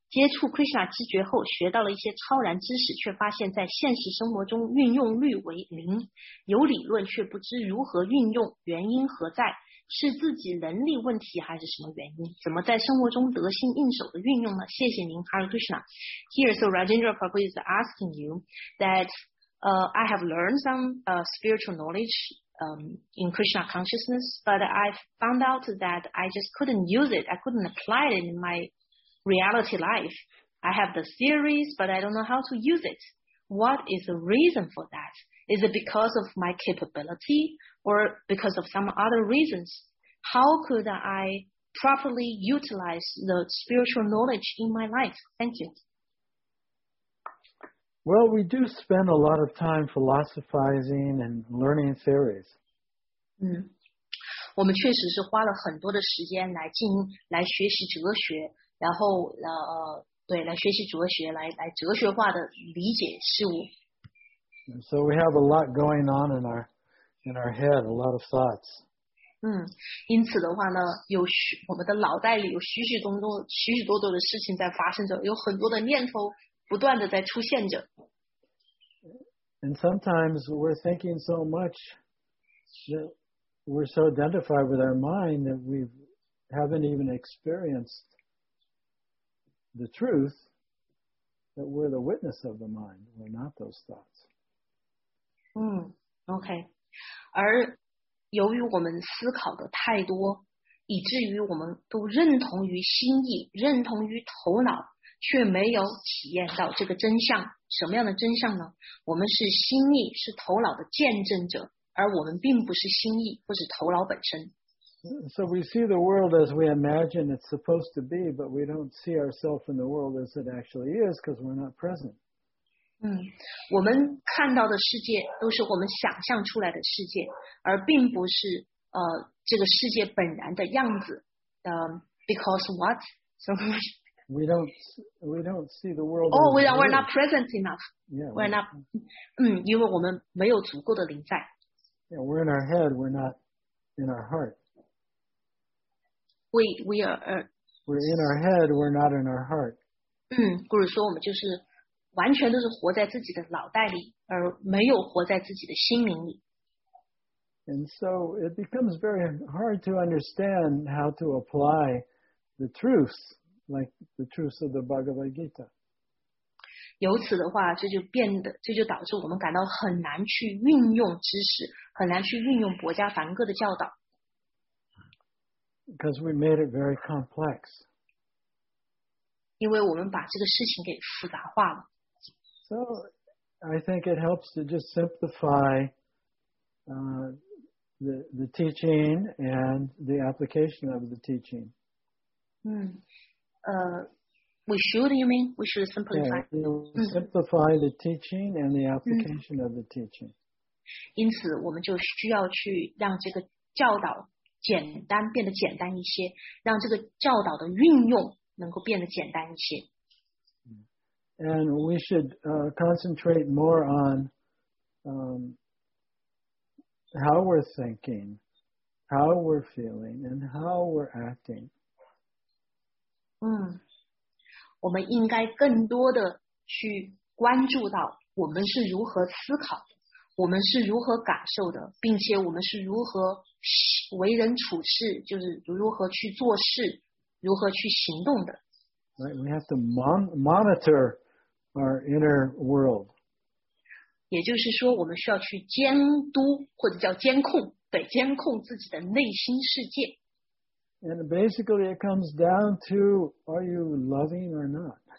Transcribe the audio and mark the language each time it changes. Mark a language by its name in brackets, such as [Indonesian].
[Chinese] 接触 Krishna 知觉后，学到了一些超然知识，却发现在现实生活中运用率为零，有理论却不知如何运用，原因何在？是自己能力问题还是什么原因？怎么在生活中得心应手的运用呢？谢谢您 ，Hare Krishna。 [English] Here so Rajendra Prabhu is asking you that。 I have learned some spiritual knowledge in Krishna consciousness, but I found out that I just couldn't use it. I couldn't apply it in my reality life. I have the theories, but I don't know how to use it. What is the reason for that? Is it because of my capability or because of some other reasons, how could I properly utilize the spiritual knowledge in my life? Thank you. Well, we do spend a lot of time philosophizing and learning theories. [Chinese] 我们确实是花了很多的时间来进行来学习哲学，然后对，来学习哲学，来哲学化的理解事物。 [English] And so we have a lot going on in our head, a lot of thoughts. [Chinese] 因此的话呢，有我们的脑袋里有许许多多、许许多多的事情在发生着，有很多的念头不断的在出现着。 [English] And sometimes we're thinking so much that we're so identified with our mind that we haven't even experienced the truth that we're the witness of the mind, we're not those thoughts. OK. [Chinese] 而由于我们思考的太多，以至于我们都认同于心意，认同于头脑，却没有体验到这个真相。什么样的真相呢？我们是心意，是头脑的见证者，而我们并不是心意或是头脑本身。 [English] So we see the world as we imagine it's supposed to be, but we don't see ourselves in the world as it actually is because we're not present. [Chinese] 我们看到的世界都是我们想象出来的世界，而并不是这个世界本然的样子。 [English] Because what? So we don't see the world. Oh, we're not present enough. Yeah, we're not. [Chinese] 因为我们没有足够的灵在。 [English] Yeah, we're in our head, we're not in our heart. We're in our head, we're not in our heart. [Chinese] 或者说我们就是完全都是活在自己的脑袋里，而没有活在自己的心灵里。 [English] And so it becomes very hard to understand how to apply the truths, like the truths of the Bhagavad Gita. [Chinese] 由此的话，这就导致我们感到很难去运用知识，很难去运用薄伽梵歌的教导。 [English] Because we made it very complex. [Chinese] 因为我们把这个事情给复杂化了。 [English] So, I think it helps to just simplify the teaching and the application of the teaching. We should simplify. Simplify the teaching and the application of the teaching. [Chinese] 因此我们就需要去让这个教导简单变得简单一些，让这个教导的运用能够变得简单一些。 [English] And we should concentrate more on how we're thinking, how we're feeling, and how we're acting. [Chinese] 我们应该更多的去关注到我们是如何思考，我们是如何感受的，并且我们是如何为人处事，就是如何去做事，如何去行动的。 [English] Right, we have to monitor our inner world. [Chinese] 也就是说我们需要去监督或者叫监控，对，监控自己的内心世界。 [English] And basically it comes down to are you loving or not?